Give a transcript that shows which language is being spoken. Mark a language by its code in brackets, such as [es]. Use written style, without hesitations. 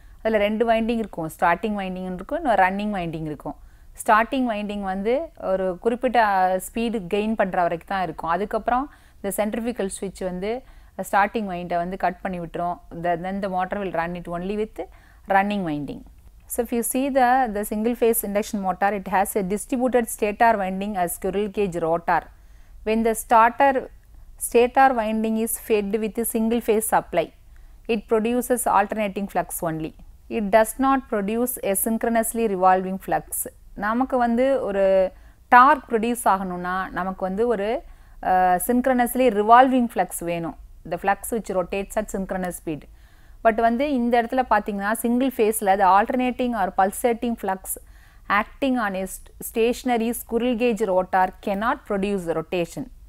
[ta] அதில் ரெண்டு வைண்டிங் இருக்கும், ஸ்டார்டிங் வைண்டிங் இருக்கும், இன்னும் ரன்னிங் வைண்டிங் இருக்கும். ஸ்டார்டிங் வைண்டிங் வந்து ஒரு குறிப்பிட்ட ஸ்பீடு கெயின் பண்ணுற வரைக்கும் தான் இருக்கும், அதுக்கப்புறம் இந்த சென்ட்ரிஃபிகல் ஸ்விட்ச் வந்து ஸ்டார்டிங் வைண்டை வந்து கட் பண்ணி விட்டுரும். [en] Then the motor will run it only with running winding. So if you see the single phase induction motor, it has a distributed stator winding as squirrel cage rotor. When the stator winding is fed with a single phase supply, it produces alternating flux only. It does not produce a synchronously revolving flux. [ta] நமக்கு வந்து ஒரு dark produce ஆகணும்னா நமக்கு வந்து ஒரு சின்க்ரனஸ்லி revolving flux வேணும், [en] the flux which rotates at synchronous speed. [ta] But வந்து இந்த இடத்துல பார்த்தீங்கன்னா சிங்கிள் ஃபேஸில் அது [en] Alternating or pulsating flux acting on a stationary squirrel cage rotor cannot produce rotation.